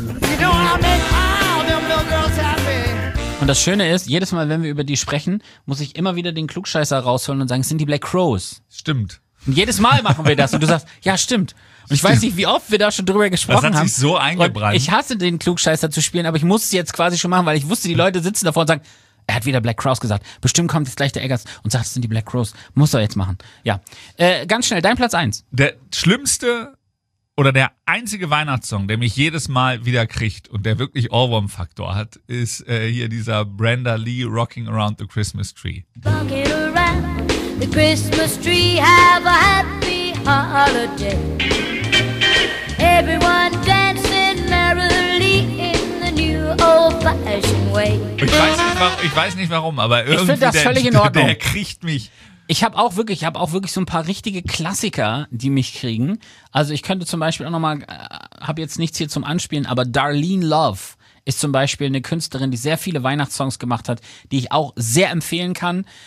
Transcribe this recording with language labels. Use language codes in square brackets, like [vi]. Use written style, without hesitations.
[en] You know I make all them little girls happy. [de] Und das Schöne ist, jedes Mal, wenn wir über die sprechen, muss ich immer wieder den Klugscheißer rausholen und sagen, es sind die Black Crowes. Stimmt. Und jedes Mal machen wir das und du sagst, ja, stimmt. Und stimmt. Ich weiß nicht, wie oft wir da schon drüber gesprochen haben. Das hat sich so eingebrannt. Ich hasse den Klugscheißer zu spielen, aber ich muss es jetzt quasi schon machen, weil ich wusste, die Leute sitzen davor und sagen, er hat wieder Black Crowes gesagt. Bestimmt kommt jetzt gleich der Eggers und sagt, es sind die Black Crowes. Muss er jetzt machen. Ja. Ganz schnell, dein Platz 1. Der schlimmste oder der einzige Weihnachtssong, der mich jedes Mal wieder kriegt und der wirklich Ohrwurm-Faktor hat, ist hier dieser Brenda Lee Rocking Around the Christmas Tree. [en] Rocking around the Christmas tree, have a happy holiday. Everyone dancing merrily in the new old-fashioned way. [de] Ich weiß nicht warum, aber irgendwie, ich finde das völlig in Ordnung. Der kriegt mich. Ich habe auch wirklich so ein paar richtige Klassiker, die mich kriegen. Also ich könnte zum Beispiel auch nochmal, habe jetzt nichts hier zum Anspielen, aber Darlene Love ist zum Beispiel eine Künstlerin, die sehr viele Weihnachtssongs gemacht hat, die ich auch sehr empfehlen kann.